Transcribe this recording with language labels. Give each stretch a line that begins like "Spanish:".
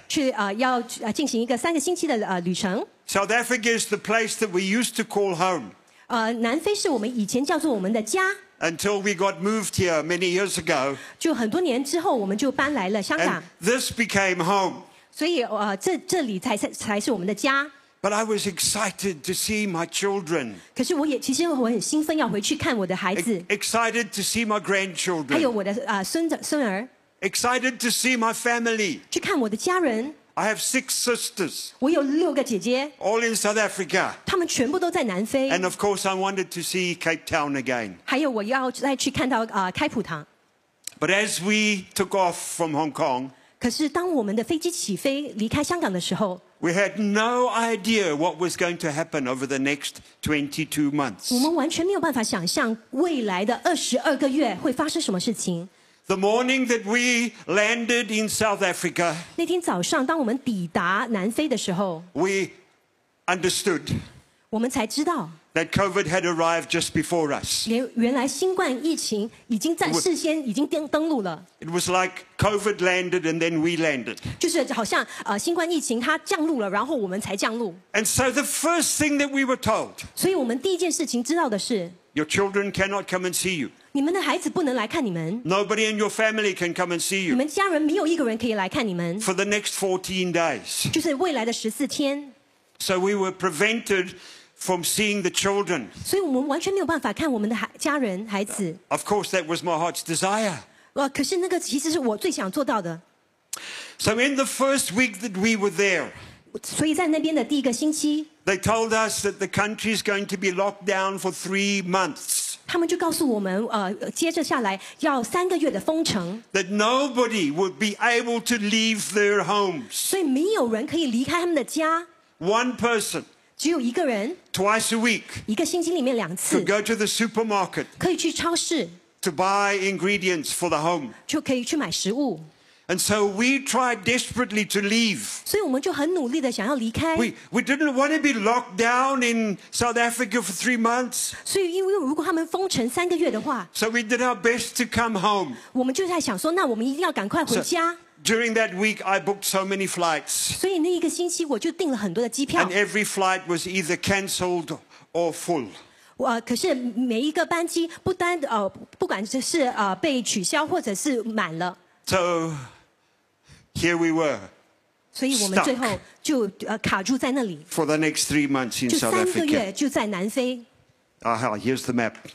Chinese: 去要进行一个三个星期的旅程
English: South Africa is the place that we used to call home.
Chinese: 南非是我们以前叫做我们的家。
English: Until we got moved here many years ago,
Chinese: 就很多年之后我们就搬来了香港。
English: This became home.
Chinese: 所以这里才是我们的家。
English: But I was excited to see my children.
Chinese: 可是其实我很兴奋要回去看我的孩子。
English: Excited to see my grandchildren.
Chinese: 还有我的孙儿。
English: Excited to see my family.
Chinese: 去看我的家人。
English: I have six sisters.
Chinese: 我有六个姐姐。
English: All in South Africa.
Chinese: 他们全部都在南非。
English: And of course, I wanted to see Cape Town again.
Chinese: 还有我要再去看到开普堂。
English: But as we took off from Hong Kong,
Chinese: 可是当我们的飞机起飞离开香港的时候
English: ，we had no idea what was going to happen over the next 22 months.
Chinese: 我们完全没有办法想象未来的22个月会发生什么事情。
English: The morning that we landed in South Africa,
Chinese: 那天早上当我们抵达南非的时候
English: we understood,
Chinese: 我们才知道
English: that COVID had arrived just before us.
Chinese: 原来新冠疫情已经在事先已经登陆了
English: It was like COVID landed and then we landed.
Chinese: 就是好像新冠疫情它降陆了然后我们才降陆
English: And so the first thing that we were told,
Chinese: 所以我们第一件事情知道的是
English: Your children cannot come and see you.
Chinese: 你们的孩子不能来看你们。
English: Nobody in your family can come and see you.
Chinese: 你们家人没有一个人可以来看你们。
English: For the next 14 days.
Chinese: 就是未来的十四天。
English: So we were prevented from seeing the children.
Chinese: 所以我们完全没有办法看我们的家人孩子。
English: Of course, that was my heart's desire.
Chinese: 可是那个其实是我最想做到的。
English: So in the first week that we were there.
Chinese: 所以在那边的第一个星期
English: ，They told us that the country is going to be locked down for 3 months.
Chinese: 他们就告诉我们，接着下来要三个月的封城。
English: That nobody would be able to leave their homes.
Chinese: 所以没有人可以离开他们的家。
English: One person.
Chinese: 只有一个人。
English: Twice a week.
Chinese: 一个星期里面两次。
English: Could go to the supermarket.
Chinese: 可以去超市。
English: To buy ingredients for the home.
Chinese: 就可以去买食物。
English: And so we tried desperately to leave.
Chinese: 所以我们就很努力的想要离开。
English: We didn't want to be locked down in South Africa for 3 months.
Chinese: 所以因为如果他们封城三个月的话。
English: So we did our best to come home.
Chinese: 我们就在想说，那我们一定要赶快回家。
English: During that week, I booked so many flights.
Chinese: 所以那一个星期我就订了很多的机票。
English: And every flight was either cancelled or full.
Chinese: 可是每一个班机不单不管是被取消或者是满了。
English: So here we were.
Chinese: 所以我们最后就卡住在那里。
English: For the next 3 months in South Africa.
Chinese: 就三个月就在南非。
English: 好 ，here's the map.